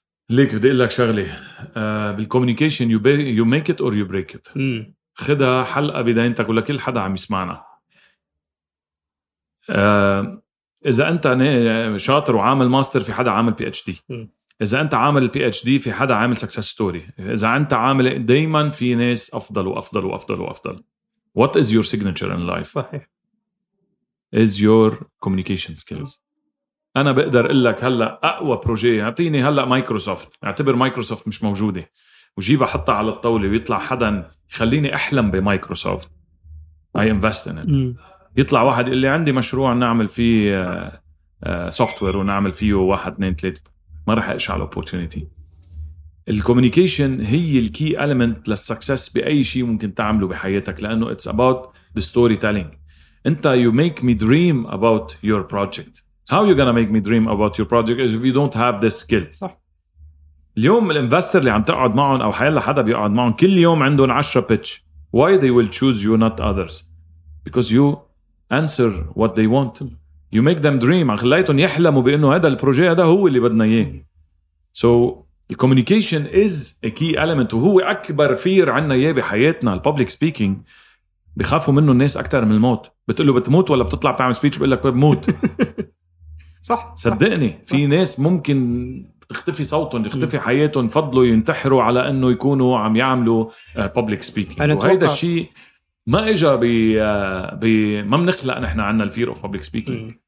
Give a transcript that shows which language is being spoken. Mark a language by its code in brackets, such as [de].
[ar] ليك بدي أقول لك شغلة بالكوميونيكيشن، [en] you make it or you break it. [ar] خدها حلقة بدايتك ولكل حدا عم يسمعنا. إذا أنت شاطر وعامل ماستر، في حدا عامل PhD. إذا أنت عامل PhD، في حدا عامل success story. إذا أنت عامل، دايما في ناس أفضل وأفضل وأفضل وأفضل. [en] What is your signature in life؟ [ar] صحيح. [en] Is your communication skills. [ar] أنا بقدر أقول لك هلأ أقوى بروجي، أعطيني هلأ مايكروسوفت، أعتبر مايكروسوفت مش موجودة وجيبها حطها على الطاولة ويطلع حدا يخليني أحلم بمايكروسوفت، [en] I invest in it. [ar] يطلع واحد اللي عندي مشروع نعمل فيه software ونعمل فيه 1-2-3، ما رح أقش على opportunity. الكوميونيكيشن هي الكي element للسكسس بأي شيء ممكن تعمله بحياتك، لأنه [en] it's about the storytelling. أنت you make me dream about your project. How you gonna make me dream about your project if you don't have this skill؟ [ar] صح. اليوم الانفستر اللي عم تقعد معهم أو حيلا حدا بيقعد معهم كل يوم عندهم 10 pitch. [en] Why they will choose you not others؟ Because you answer what they want. You make them dream. [ar] خليتهم يحلموا بأنه هذا البروجي هذا هو اللي بدنا إياه. [en] So the communication is a key element، [ar] وهو أكبر فير عنا إياه بحياتنا. Public speaking بخافوا منه الناس أكتر من الموت. بتقوله بتموت ولا بتطلع بتعمل speech، بقول لك بموت. صح. صدقني في ناس ممكن تختفي صوتهم، تختفي حياتهم، فضلوا ينتحروا على أنه يكونوا عم يعملوا public speaking. وهذا الشيء ما إجا ما منخلق نحن عنا الفير of public speaking.